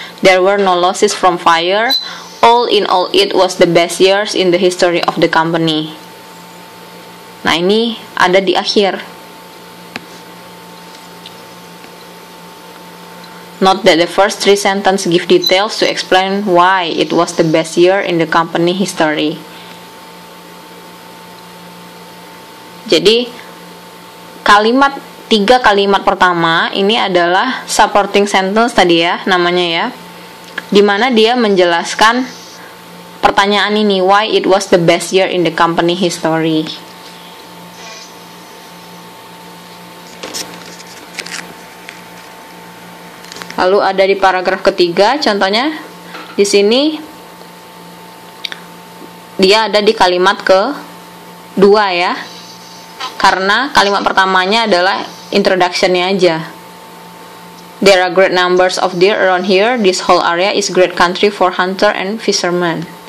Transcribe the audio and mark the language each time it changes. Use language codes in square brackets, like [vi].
[en] There were no losses from fire. All in all it was the best years in the history of the company. [id] Nah, ini ada di akhir. [en] Note that the first three sentences give details to explain why it was the best year in the company history. [id] Jadi, kalimat, tiga kalimat pertama ini adalah supporting sentence tadi ya, namanya ya. Dimana dia menjelaskan pertanyaan ini, [en] why it was the best year in the company history. [id] Lalu ada di paragraf ketiga, contohnya di sini dia ada di kalimat kedua ya, karena kalimat pertamanya adalah introduction-nya aja. [en] There are great numbers of deer around here. This whole area is great country for hunter and fisherman.